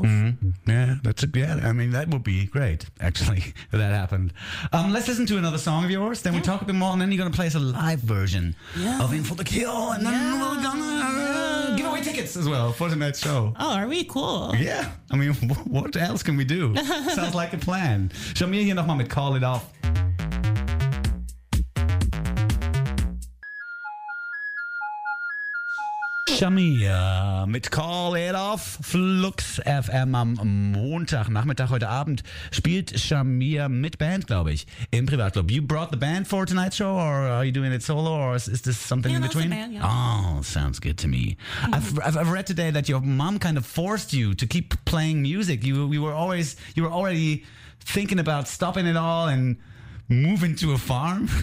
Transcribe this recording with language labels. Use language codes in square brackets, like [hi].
[en] Mm-hmm. I mean, that would be great, actually, if that happened. Let's listen to another song of yours. Then we talk a bit more, and then you're going to play us a live version of In for the Kill. And then we're going to give away tickets as well for tonight's show. Oh, are we? Cool. Yeah. I mean, what else can we do? Sounds like a plan. [de] Show me here nochmal mit Call It Off. Shamia mit Call It Off, Flux FM am Montagnachmittag. Heute Abend spielt Shamia mit Band, glaube ich, im Privatclub. [en] You brought the band for tonight's show, or are you doing it solo, or is this something in between? Band, Oh, sounds good to me. Mm-hmm. I've read today that your mom kind of forced you to keep playing music. You were already thinking about stopping it all and moving to a farm?